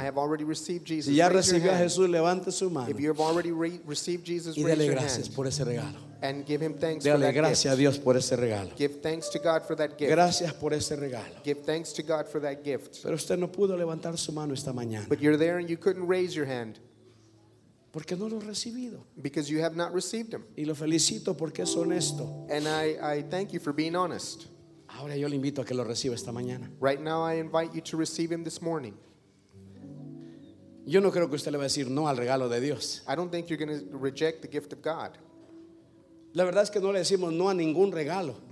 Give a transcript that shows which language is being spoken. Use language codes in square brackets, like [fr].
[en] I have already received Jesus. [es] Si ya recibí a Jesús, levante su mano. [en] If you have already received Jesus, [es] y dele gracias por ese regalo. [en] And give him thanks [es] dele [en] for that [es] gracias [en] gift. [es] A Dios por ese regalo. [en] Give thanks to God for that gift. [es] Gracias por ese regalo. [en] Give thanks to God for that gift. [es] Pero usted no pudo levantar su mano esta mañana. [en] But you're there and you couldn't raise your hand. [es] Porque no lo he recibido. [en] Because you have not received him. [es] Y lo felicito porque es honesto. [en] And I thank you for being honest. [es] Ahora yo le invito a que lo reciba esta mañana. [en] Right now I invite you to receive him this morning. [es] Yo no creo que usted le va a decir no al regalo de Dios. [en] I don't think you're going to reject the gift of God. [es] La verdad es que no le decimos no a ningún regalo.